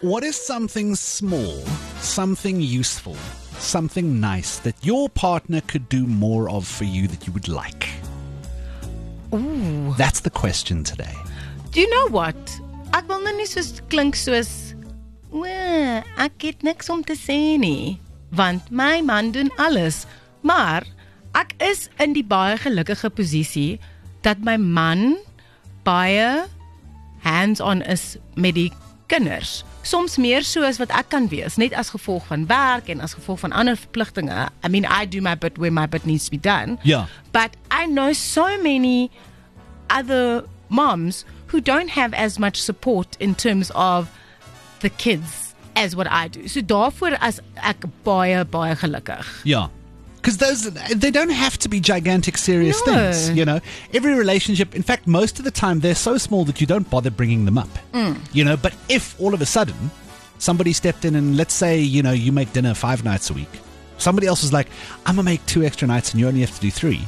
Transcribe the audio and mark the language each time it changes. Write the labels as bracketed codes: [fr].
[en] What is something small, something useful, something nice that your partner could do more of for you that you would like? Ooh. That's the question today. Do you know what? [af] Ek wil nou nie soos klink soos, ek het niks om te sê nie, want my man doen alles. Maar ek is in die baie gelukkige posisie dat my man baie hands-on is met die kinders. Soms meer so as wat ek kan wees, net as gevolg van werk en as gevolg van ander verpligtinge. [en] I mean, I do my bit where my bit needs to be done. Yeah. But I know so many other moms who don't have as much support in terms of the kids as what I do. [af] So daarvoor as ek baie, baie gelukkig. [en] Yeah. Because those, they don't have to be gigantic serious things, you know. Every relationship, in fact, most of the time, they're so small that you don't bother bringing them up, you know. But if all of a sudden somebody stepped in and let's say, you know, you make dinner 5 nights a week. Somebody else was like, I'm going to make 2 extra nights and you only have to do 3.